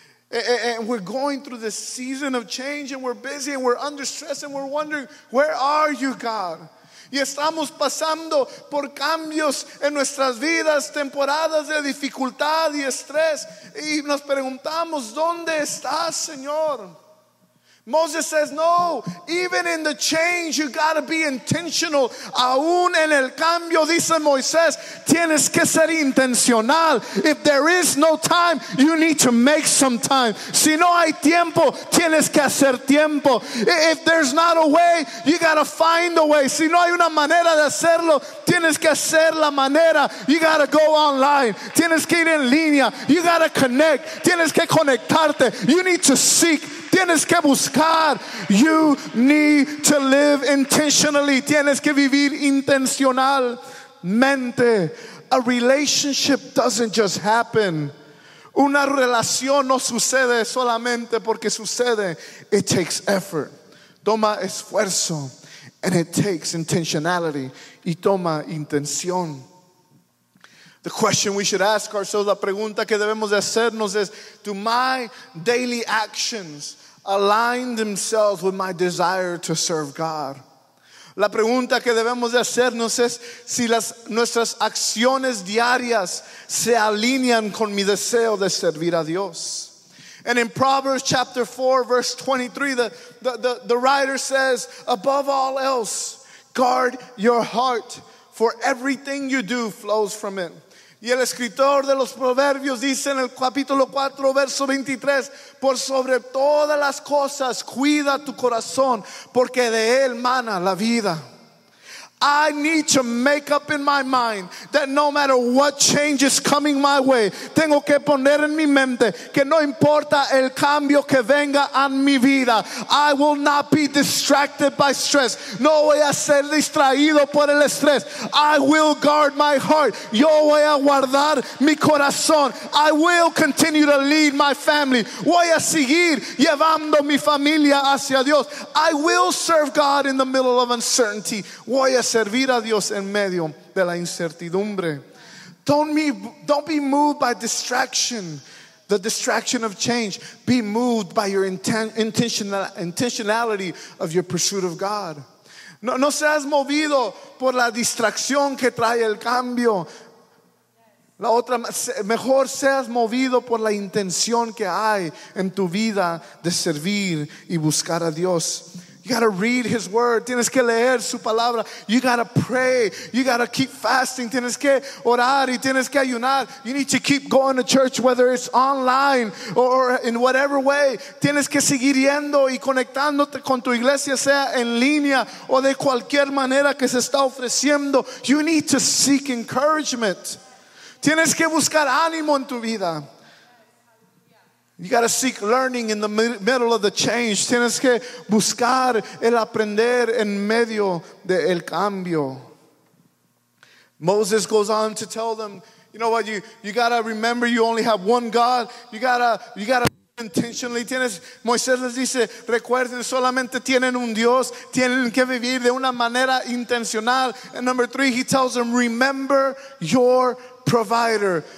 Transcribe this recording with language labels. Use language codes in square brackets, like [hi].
[en] And we're going through this season of change, and we're busy, and we're under stress, and we're wondering, where are you, God? [es] Y estamos pasando por cambios en nuestras vidas, temporadas de dificultad y estrés. Y nos preguntamos, ¿dónde estás, Señor? [en] Moses says, no, even in the change, you got to be intentional. [es] Aún en el cambio, dice Moisés, tienes que ser intencional. [en] If there is no time, you need to make some time. [es] Si no hay tiempo, tienes que hacer tiempo. [en] If there's not a way, you got to find a way. [es] Si no hay una manera de hacerlo, tienes que hacer la manera. [en] You got to go online. [es] Tienes que ir en línea. [en] You got to connect. [es] Tienes que conectarte. [en] You need to seek. [es] Tienes que buscar. [en] You need to live intentionally. [es] Tienes que vivir intencionalmente. [en] A relationship doesn't just happen. [es] Una relación no sucede solamente porque sucede. [en] It takes effort. [es] Toma esfuerzo. [en] And it takes intentionality. [es] Y toma intención. [en] The question we should ask ourselves, [es] la pregunta que debemos de hacernos es, [en] do my daily actions align themselves with my desire to serve God? [es] La pregunta que debemos de hacernos es si las nuestras acciones diarias se alinean con mi deseo de servir a Dios. [en] And in Proverbs chapter 4, verse 23, the writer says, above all else, guard your heart, for everything you do flows from it. [es] Y el escritor de los Proverbios dice en el capítulo 4, verso 23, por sobre todas las cosas, cuida tu corazón, porque de él mana la vida. [en] I need to make up in my mind that no matter what change is coming my way, [es] tengo que poner en mi mente que no importa el cambio que venga a mi vida, [en] I will not be distracted by stress. [es] No voy a ser distraído por el estrés. [en] I will guard my heart. [es] Yo voy a guardar mi corazón. [en] I will continue to lead my family. [es] Voy a seguir llevando mi familia hacia Dios. [en] I will serve God in the middle of uncertainty. [es] Voy a servir a Dios en medio de la incertidumbre. [en] Don't be moved by distraction, the distraction of change. Be moved by your intentionality of your pursuit of God. [es] No seas movido por la distracción que trae el cambio. La otra, mejor seas movido por la intención que hay en tu vida de servir y buscar a Dios. [en] You gotta read his word. [es] Tienes que leer su palabra. [en] You gotta pray. You gotta keep fasting. [es] Tienes que orar y tienes que ayunar. [en] You need to keep going to church, whether it's online or in whatever way. [es] Tienes que seguir yendo y conectándote con tu iglesia, sea en línea o de cualquier manera que se está ofreciendo. [en] You need to seek encouragement. [es] Tienes que buscar ánimo en tu vida. [en] You got to seek learning in the middle of the change. [es] Tienes que buscar el aprender en medio del cambio. [en] Moses goes on to tell them, you know what, you got to remember you only have one God. You got to intentionally. [es] Moisés les dice, recuerden, solamente tienen un Dios. Tienen que vivir de una manera intencional. [en] And number three, he tells them, remember your provider.